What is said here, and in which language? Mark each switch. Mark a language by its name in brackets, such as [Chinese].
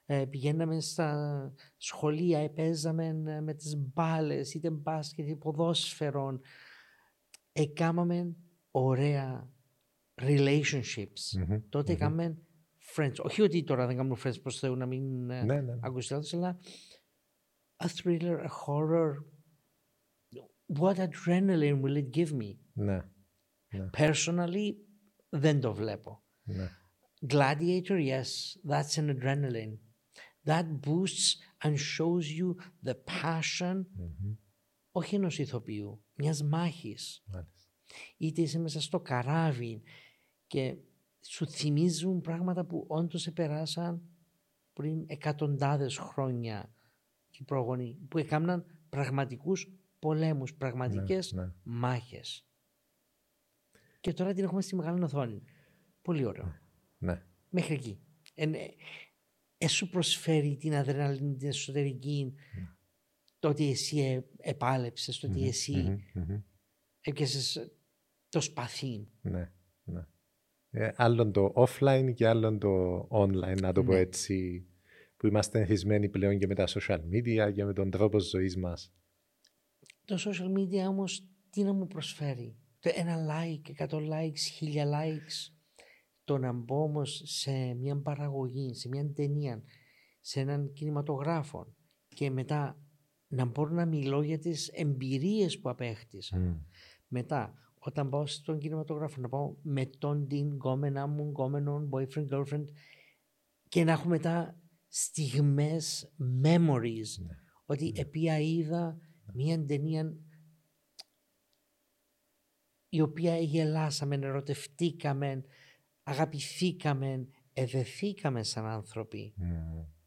[Greek] Πηγαίναμε στα σχολεία, παίζαμε με τις μπάλες, είτε μπάσκετ, είτε ποδόσφαιρο. Κάμαμε ωραία relationships. Τότε κάμαμε friends. Όχι ότι τώρα δεν κάνουμε friends, προς Θεού να μην ακούσει λάθος, αλλά [English] a thriller, a horror... What adrenaline will it give me? [Greek] Personally, δεν το βλέπω. [English] Gladiator, yes, that's an adrenaline. That boosts and shows you the passion, [Greek] όχι ενός ηθοποιού, μιας μάχης. Είτε είσαι μέσα στο καράβι και σου θυμίζουν πράγματα που όντως επεράσαν πριν εκατοντάδες χρόνια οι προγονείς που έκαναν πραγματικούς πολέμους, πραγματικές μάχες. Και τώρα την έχουμε στη μεγάλη οθόνη. Πολύ ωραίο. Ναι. Μέχρι εκεί. Σου προσφέρει την αδρεναλίνη, την εσωτερική, το ότι εσύ επάλεψες, το ότι εσύ έπιασες το σπαθί. Ναι, ναι. Άλλον το offline και άλλον το online, να το πω έτσι, που είμαστε εθισμένοι πλέον και με τα social media και με τον τρόπο ζωής μας. Το social media όμως τι να μου προσφέρει. Το ένα like, 100 likes, 1000 likes. Το να μπω όμως σε μια παραγωγή, σε μια ταινία, σε έναν κινηματογράφο και μετά να μπορώ να μιλώ για τις εμπειρίες που απέκτησα. Mm. Μετά, όταν πάω στον κινηματογράφο, να πάω με τον την γκόμενα μου, γκόμενο, boyfriend, girlfriend και να έχω μετά στιγμές, memories, ότι επειδή είδα μια ταινία η οποία γελάσαμε, ερωτευτήκαμε, αγαπηθήκαμε, εδεθήκαμε σαν άνθρωποι. Mm.